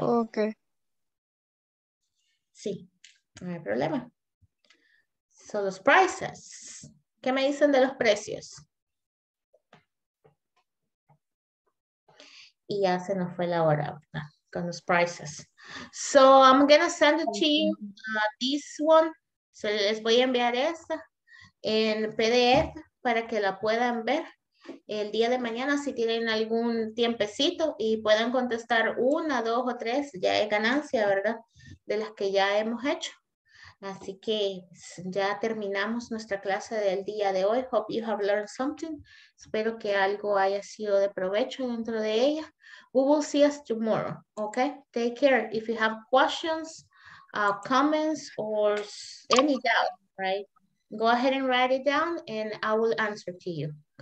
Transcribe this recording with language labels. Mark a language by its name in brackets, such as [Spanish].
[English] Ok. [Spanish] Sí, no hay problema. So, los prices. ¿Qué me dicen de los precios? Y ya se nos fue la hora, ¿verdad? Con los prices. [English] So, I'm going to send it to you, this one. [Spanish] So, les voy a enviar esta en PDF para que la puedan ver el día de mañana si tienen algún tiempecito y puedan contestar una, dos o tres, ya es ganancia, ¿verdad? De las que ya hemos hecho. Así que ya terminamos nuestra clase del día de hoy. [English] Hope you have learned something. [Spanish] Espero que algo haya sido de provecho dentro de ella. [English] We will see us tomorrow, okay? Take care. If you have questions, comments, or any doubt, right? Go ahead and write it down, and I will answer to you.